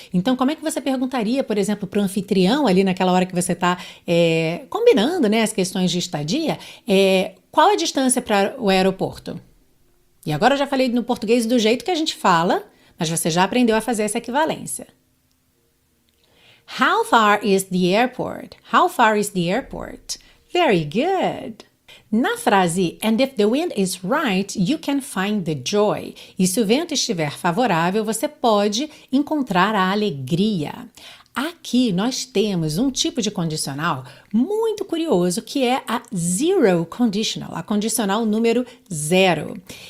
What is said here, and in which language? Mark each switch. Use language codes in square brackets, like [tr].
[pt] Então, como é que você perguntaria, por exemplo, para o anfitrião ali naquela hora que você está combinando, né, as questões de estadia, qual a distância para o aeroporto? E agora eu já falei no português do jeito que a gente fala, mas você já aprendeu a fazer essa equivalência. [en] How far is the airport? How far is the airport? Very good! [pt] Na frase [en] "and if the wind is right, you can find the joy", [pt] e se o vento estiver favorável, você pode encontrar a alegria. Aqui nós temos um tipo de condicional muito curioso, que é a zero conditional, a condicional número zero.